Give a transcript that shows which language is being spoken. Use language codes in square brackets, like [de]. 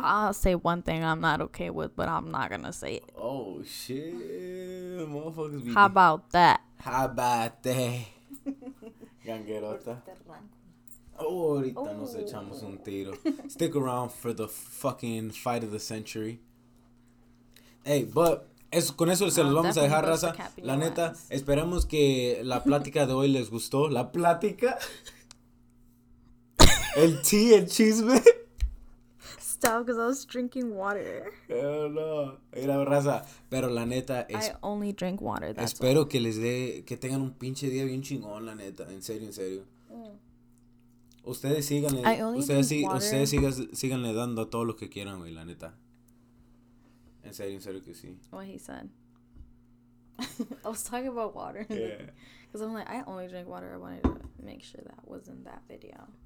[en] I'll say one thing I'm not okay with, but I'm not going to say it. Oh, shit. Motherfuckers be... How about that? How about that? Ganguerota. [es] Oh, ahorita nos echamos un tiro. [en] Stick around for the fucking fight of the century. Hey, but... [es] Eso, con eso se los vamos a dejar, raza. La neta, esperamos que la plática de hoy les gustó. La plática. El tea, el chisme. [en] Stop, because I was drinking water. Hell no. [es] Era, raza. Pero la neta [en] es. I only drink water. [es] That's espero all. Que les dé. Que tengan un pinche día bien chingón, la neta. En serio, en serio. Ustedes síganle. Ustedes síganle dando a todo lo que quieran, güey, la neta. En serio, que sí. [en] What he said. I was talking about water. Yeah. Because I'm like, I only drink water. I wanted to make sure that was in that video.